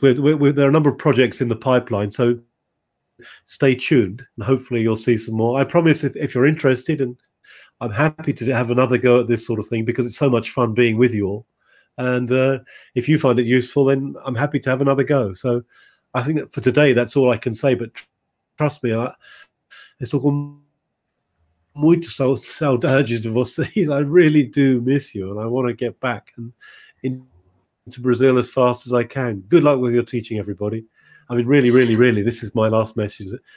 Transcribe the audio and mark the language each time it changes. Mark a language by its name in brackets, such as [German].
[English] There are a number of projects in the pipeline, so stay tuned and hopefully you'll see some more. I promise if you're interested, and I'm happy to have another go at this sort of thing because it's so much fun being with you all. And if you find it useful, then I'm happy to have another go. So I think that for today, that's all I can say. But trust me, [Portuguese] estou com muitas saudades de vocês. [English] I really do miss you, and I want to get back into Brazil as fast as I can. Good luck with your teaching, everybody. I mean, really, really, really, this is my last message.